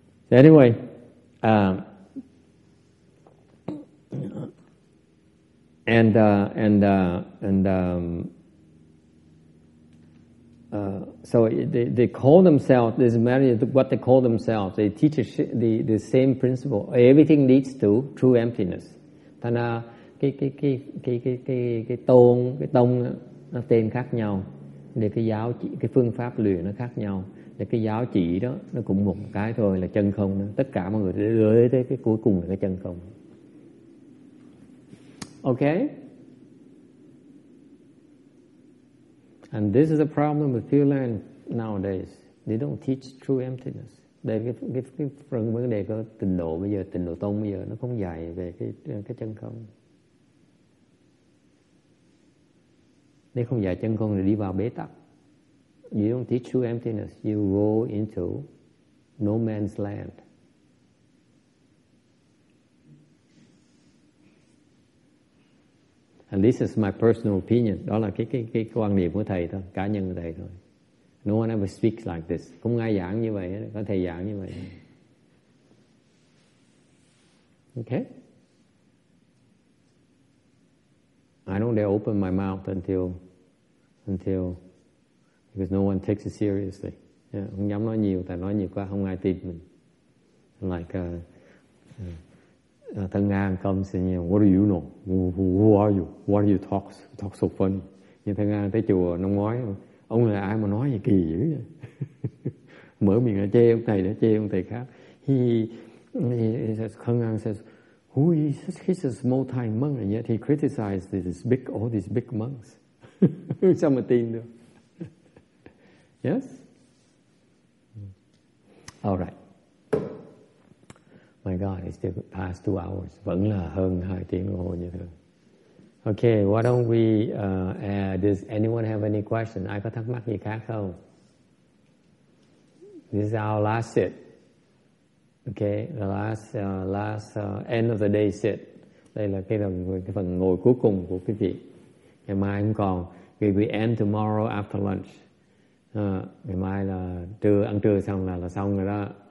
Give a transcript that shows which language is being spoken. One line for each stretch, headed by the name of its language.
English: Anyway, so they call themselves, this matter what they call themselves, they teach the same principle. Everything leads to true emptiness.
Vietnamese: Thành ra cái tông nó tên khác nhau, để cái phương pháp luyện nó khác nhau. Thì cái giáo chỉ đó nó cũng một cái thôi, là chân không đó. Tất cả mọi người đều đưa tới cái cuối cùng là cái chân không.
English: Okay. And this is the problem with Pure Land nowadays. They don't teach true emptiness.
Vietnamese: Đây cái phần vấn đề của tịnh độ bây giờ, tịnh độ tông bây giờ nó không dạy về cái chân không. Nếu không dạy chân không thì đi vào bế tắc.
English: You don't teach true emptiness. You go into no man's land. And this is my personal opinion.
Vietnamese: Đó là cái quan điểm của thầy thôi, cá nhân của thầy thôi.
English: No one ever speaks like this.
Vietnamese: Không ai giảng như vậy, có thầy giảng như vậy.
English: Okay. I don't dare open my mouth until. Because no one takes it seriously.
Vietnamese: Yeah, không dám nói nhiều, tại nói nhiều quá không ai tin mình.
English: Like Thân An comes and you know, what do you know? Who are you? Why do you talk so funny?
Vietnamese: Nhưng Thân An tới chùa năm ngoái, ông là ai mà nói gì kỳ dữ vậy? Mở miệng chê ông thầy, để chê ông thầy khác.
English: He says, Thân An says, who is he? He's a small time monk, and yet he criticized all these big monks.
Vietnamese: Sao mà tin được? Yes?
English: All right. My God, it's the past 2 hours.
Vietnamese: Vẫn là hơn 2 tiếng hồ như thường.
English: Okay, why don't we does anyone have any question?
Vietnamese: Ai có thắc mắc gì khác không?
English: This is our last sit. Okay, the last end of the day sit.
Vietnamese: Đây là cái phần ngồi cuối cùng của quý vị. Ngày mai không còn.
English: We end tomorrow after lunch.
Vietnamese: Ngày mai là trưa, ăn trưa xong là xong rồi đó.